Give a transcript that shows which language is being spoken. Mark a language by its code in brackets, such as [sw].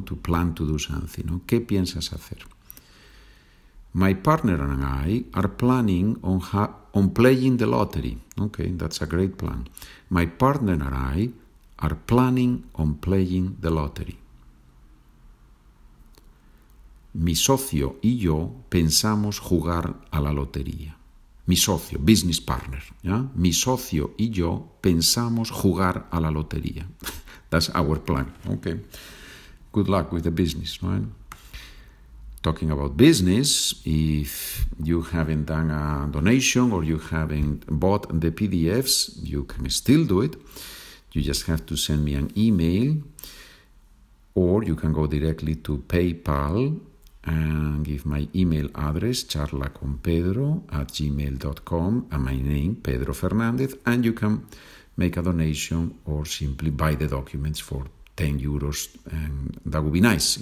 [en] To plan to do something, no? [es] ¿Qué piensas hacer? [en] My partner and I are planning on playing the lottery. Okay, that's a great plan. My partner and I are planning on playing the lottery. [es] Mi socio y yo pensamos jugar a la lotería. Mi socio, [en] business partner. Yeah? [es] Mi socio y yo pensamos jugar a la lotería. [en] That's our plan. Okay. Good luck with the business, right? Talking about business, if you haven't done a donation or you haven't bought the PDFs, you can still do it. You just have to send me an email, or you can go directly to PayPal and give my email address, charlaconpedro@gmail.com, and my name, Pedro Fernández, and you can make a donation or simply buy the documents for 10 euros, and that would be nice.